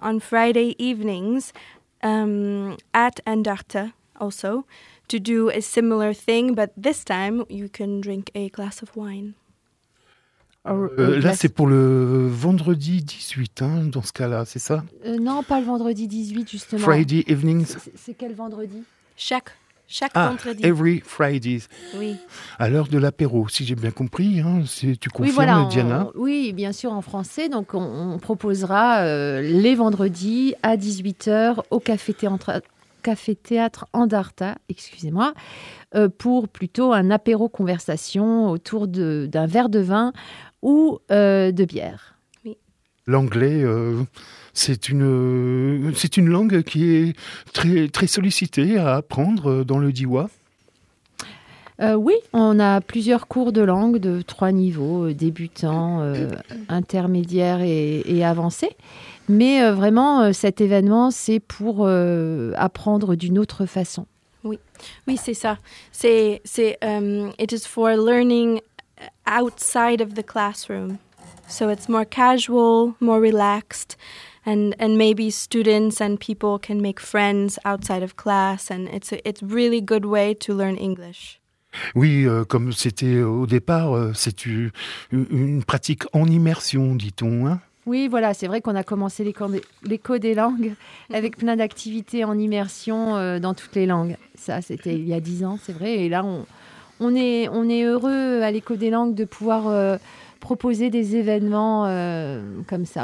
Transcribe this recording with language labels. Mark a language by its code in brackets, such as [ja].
[en] on Friday evenings at Andarta also to do a similar thing, but this time you can drink a glass of wine. [fr] Là, c'est pour le vendredi 18, hein, dans ce cas-là, c'est ça ? Non, pas le vendredi 18, justement. [en] Friday evenings. [fr] C'est quel vendredi ? Chaque vendredi. [en] Ah, every Fridays. [fr] Oui. À l'heure de l'apéro, si j'ai bien compris. Hein, tu confirmes, oui, voilà, Diana ? Oui, bien sûr, en français. Donc, on proposera les vendredis à 18h au Café Théâtre Andarta, excusez-moi, pour plutôt un apéro conversation autour d'un verre de vin ou de bière. Oui. L'anglais, c'est une langue qui est très, très sollicitée à apprendre dans le Diwa. Oui, on a plusieurs cours de langue de trois niveaux, débutant, intermédiaire et avancé. Mais vraiment, cet événement, c'est pour apprendre d'une autre façon. Oui, oui, c'est ça. [en] It is for learning outside of the classroom. So it's more casual, more relaxed, and maybe students and people can make friends outside of class. And it's a really good way to learn English. [fr] Oui, comme c'était au départ, c'est une pratique en immersion, dit-on, hein? Oui, voilà, c'est vrai qu'on a commencé l'écho des langues avec plein d'activités en immersion dans toutes les langues. Ça, c'était il y a 10 ans, c'est vrai. Et là, on est heureux à l'écho des langues de pouvoir proposer des événements comme ça.